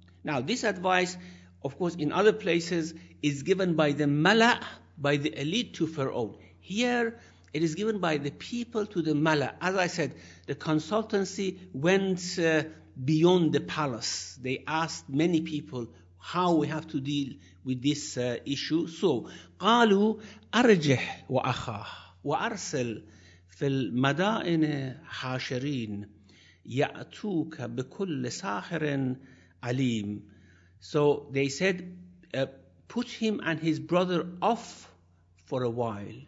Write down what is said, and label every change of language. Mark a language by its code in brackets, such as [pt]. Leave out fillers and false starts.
[en] Now, this advice, of course, in other places, is given by the mala', by the elite to Pharaoh. Here, it is given by the people to the mala'. As I said, the consultancy went beyond the palace. They asked many people how we have to deal with this issue. [ar] So, قالوا أرجح وأخاه وأرسل في المدائن حاشرين يأتوك بكل ساحر عليم. [en] So they said, put him and his brother off for a while.